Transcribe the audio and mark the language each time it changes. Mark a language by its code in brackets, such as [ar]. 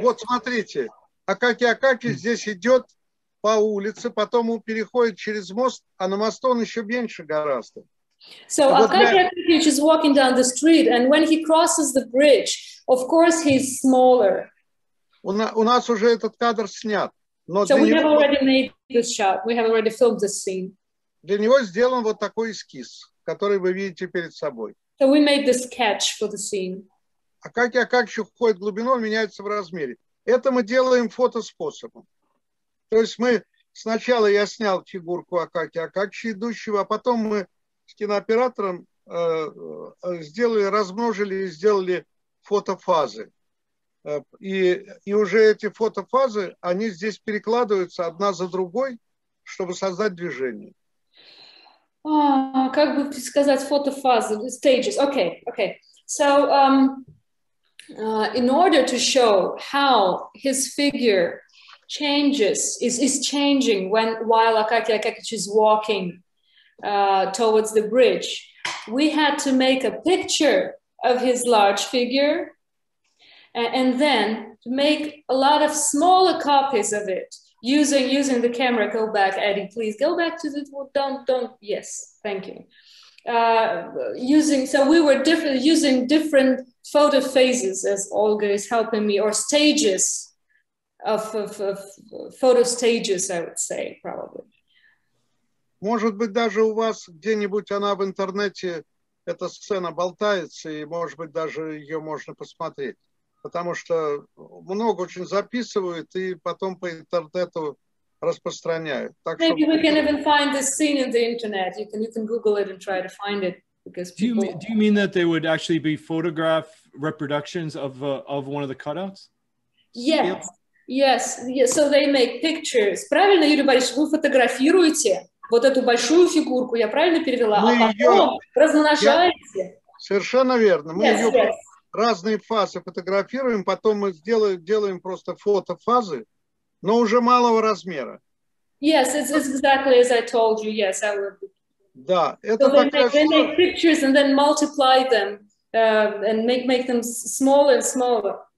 [ru] Вот смотрите, Акакий здесь идет по улице, потом он переходит через мост, а на мосту он еще меньше гораздо. [en] So Акакий is walking down the street, and when he crosses the bridge, of course he's smaller. [ru] У нас уже этот кадр снят. Но [en] so we have already made this shot. We have already filmed this scene. [ru] Для него сделан вот такой эскиз, который вы видите перед собой. [en] So we made this sketch for the scene. [ru] Акакий уходит в глубину, меняется в размере. Это мы делаем фотоспособом. То есть мы Сначала я снял фигурку Акаки Акакши идущего, а потом мы с кинооператором сделали фотофазы. И уже эти фотофазы, они здесь перекладываются одна за другой, чтобы создать движение. А, как бы сказать фотофазы, stages, окей, окей. [en] So, in order to show how his figure changes, is changing when while Akaki Akakich is walking towards the bridge, we had to make a picture of his large figure and then make a lot of smaller copies of it using the camera. Go back, Eddie, please go back to the don't yes, thank you. Using different photo phases, as Olga is helping me, or stages of photo stages, I would say, probably. [ru] Может быть, даже у вас где-нибудь она в интернете, эта сцена болтается, и, может быть, даже ее можно посмотреть. Потому что много очень записывают и потом по интернету распространяют. Так [en] Maybe [ru] что... [en] we can even find this scene in the internet. You can Google it and try to find it. Because people... Do you mean that they would actually be photograph reproductions of one of the cutouts? Yes. So they make pictures. [ru] Правильно, Юрий Борисович, вы фотографируете вот эту большую фигурку, я правильно перевела? Мы а потом размножаете. Совершенно верно. Мы разные фазы фотографируем, потом мы делаем просто фотофазы, но уже малого размера. [en] Yes, it's exactly as I told you. Yes, I would. [ru] Да, это so такая штука. [en] They make pictures and then multiply them and make them smaller and smaller.